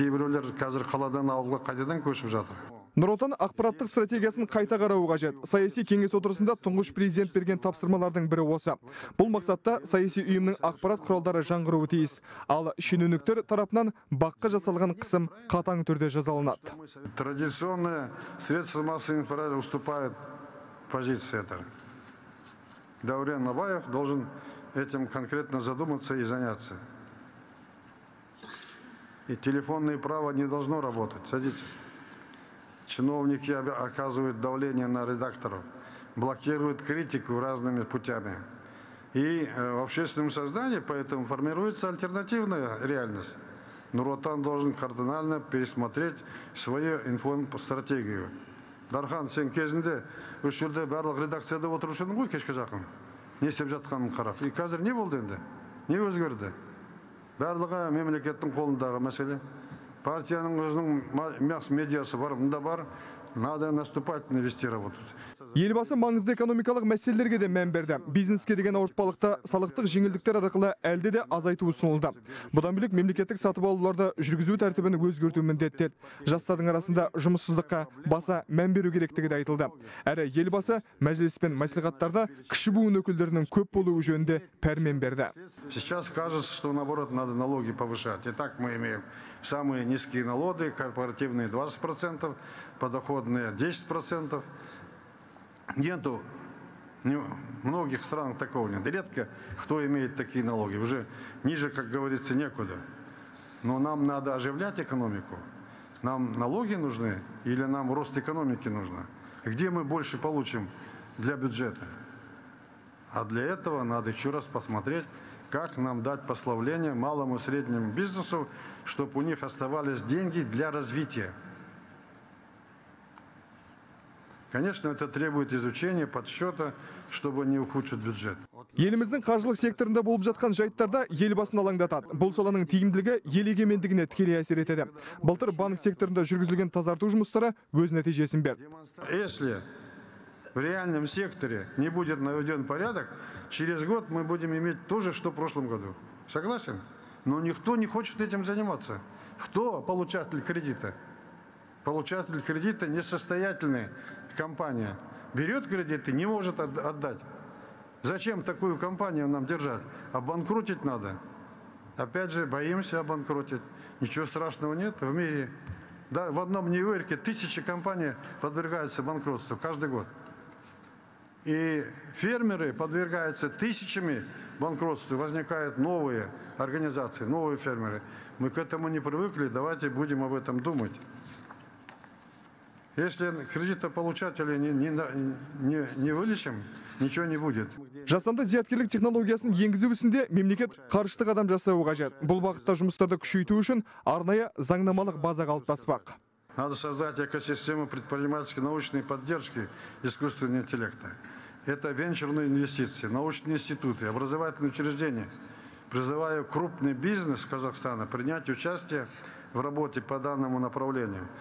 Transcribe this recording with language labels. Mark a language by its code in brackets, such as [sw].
[kk] Кейбіреулер қазір қаладан ауылға қайтадан көшіп жатыр. Нұр Отан ақпараттық стратегиясын қайта қарауы қажет. Саяси кеңес отырысында тұңғыш президент берген тапсырмалардың бірі осы. Бұл мақсатта саяси ұйымның ақпарат құралдары жаңғыруы тиіс. Ал шенеуніктер тарапынан баққа жасалған қысым қатаң түрде жазаланады. [ru] Традиционные средства массовой информации уступают позиции. Дәурен Абаев должен этим конкретно задуматься и заняться. И телефонное право не должно работать. Садитесь. Чиновники оказывают давление на редакторов. блокируют критику разными путями. И в общественном сознании поэтому формируется альтернативная реальность. Нур Отан должен кардинально пересмотреть свою информ-стратегию. [kk] Дархан, сен кезінде, үш жылды барлық редакцияда отырушының ғой кешке жақын. Не істеп жатқанын қарап. И қазір не болды енді? Не өзгерді? Барлығы мемлекеттің қолындағы мәселе. Партияның өзінің мәс медиасы бар, мұнда бар. [ru] Надо наступательно вести работу. [kk] Елбасы маңызды экономикалық мәселелерге де мән берді. Бизнеске деген ауыртпалықты салықтық жеңілдіктер арқылы әлде де азайту ұсынылды. Бұдан бөлек мемлекеттік сатып алуларды жүргізу тәртібін өзгерту міндеттеді. Жастардың арасында жұмыссыздыққа баса мән беру керектігі де айтылды. Әрі елбасы мәжіліс пен мәслихаттарда кіші буын өкілдерінің көп болуы жөнінде пәрмен берді. [ru] Сейчас кажется, что наоборот надо налоги повышать. Итак, мы имеем самые низкие налоги, корпоративные 20%, подоходные 10%. Нету многих стран такого нет. Редко кто имеет такие налоги. Уже ниже, как говорится, некуда. Но нам надо оживлять экономику. Нам налоги нужны или нам рост экономики нужен? Где мы больше получим для бюджета? А для этого надо еще раз посмотреть, как нам дать послабление малому и среднему бизнесу, чтобы у них оставались деньги для развития. Конечно, это требует изучения, подсчета, чтобы не ухудшить бюджет. [kk] Еліміздің қаржылық секторында болып жатқан жайттарда елбасын алаңдатады. Бұл саланың тиімділігі ел егемендігіне тікелей әсер етеді. Былтыр банк секторында жүргізілген тазарту жұмыстары өз нәтижесін берді. [ru] Если в реальном секторе не будет наведен порядок, через год мы будем иметь то же, что в прошлом году. Согласен? Но никто не хочет этим заниматься. Кто получатель кредита? Получатель кредита несостоятельный. Компания берет кредиты, не может отдать. Зачем такую компанию нам держать? Обанкротить надо. Опять же, боимся обанкротить. Ничего страшного нет в мире. Да, в одном Нью-Йорке тысячи компаний подвергаются банкротству каждый год. И фермеры подвергаются тысячами банкротству. Возникают новые организации, новые фермеры. Мы к этому не привыкли, давайте будем об этом думать. Если кредитополучателя не вылечим, ничего не будет. [kk] Жастанды зияткерлік технологиясын енгізу ісінде мемлекет қарыштық адам жасауы қажет. Бұл бағытта жұмыстарды күшейту үшін арнайы заңнамалық база қалыптаспақ. [ru] Надо создать экосистему предпринимательской научной поддержки искусственного интеллекта. Это венчурные инвестиции, научные институты, образовательные учреждения. Призываю крупный бизнес Казахстана принять участие в работе по данному направлению.